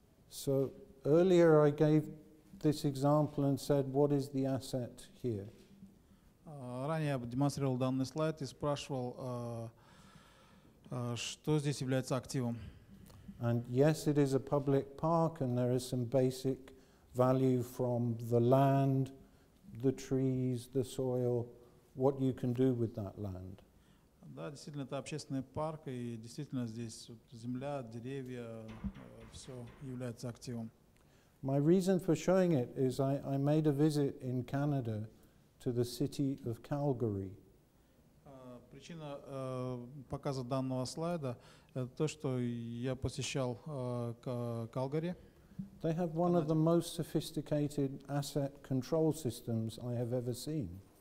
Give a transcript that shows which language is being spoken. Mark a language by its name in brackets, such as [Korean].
[English] So earlier I gave this example and said, what is the asset here? [Russian] Ранее я демонстрировал данный слайд и спрашивал, что здесь является активом. [English] And yes, it is a public park, and there is some basic value from the land, the trees, the soil, what you can do with that land. [Russian] Да, действительно, это общественный парк, и действительно здесь земля, деревья, все является активом. [English] My reason for showing it is I made a visit in Canada to the city of Calgary. [Russian] Причина показа данного слайда это то, что я посещал Калгари. [English] They have one of the most sophisticated asset control systems I have ever seen.